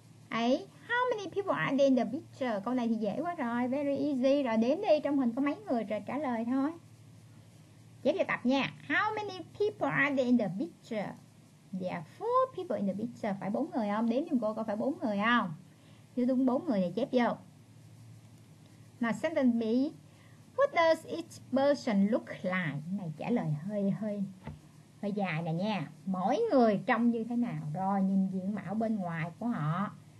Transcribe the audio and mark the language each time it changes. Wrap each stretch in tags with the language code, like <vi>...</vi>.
<en>How many people are there in the picture?</en> <vi>Câu này thì dễ quá rồi.</vi> <en>Very easy.</en> <vi>Rồi đếm đi. Trong hình có mấy người rồi trả lời thôi. Chép tập nha.</vi> <en>How many people are there in the picture? There are four people in the picture.</en> <vi>Phải bốn người không? Đếm giùm cô có phải bốn người không? Như đúng bốn người thì chép vô.</vi> <en>Now sentence B. What does each person look like?</en> <vi>Này trả lời hơi dài nè nha. Mỗi người trông như thế nào? Rồi nhìn diện mạo bên ngoài của họ.</vi>